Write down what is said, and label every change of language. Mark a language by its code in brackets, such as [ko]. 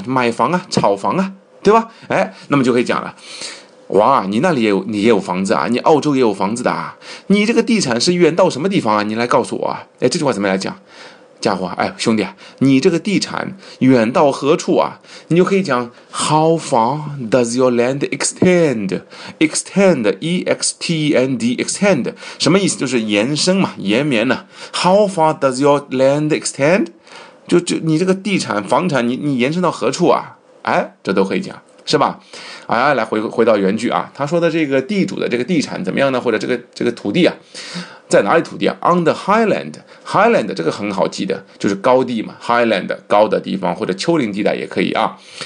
[zh] 去买房啊，炒房啊，对吧？哎，那么就可以讲了，哇，你那里也有房子啊，你澳洲也有房子的啊，你这个地产是远到什么地方啊？你来告诉我啊，哎，这句话怎么来讲？家伙，哎，兄弟，你这个地产远到何处啊？ [en] 你就可以讲 How far does your land extend? [zh] Extend, E X T E N D, extend 什么意思？就是延伸嘛，延绵呢。 [en] How far does your land extend? [zh] 就你这个地产房产你延伸到何处啊？哎，这都可以讲，是吧？哎，来回到原句啊，他说的这个地主的这个地产怎么样呢？或者这个土地啊，在哪里土地啊 ？ [en] On the highland, [zh] highland 这个很好记的，就是高地嘛 ，highland 高的地方或者丘陵地带也可以啊。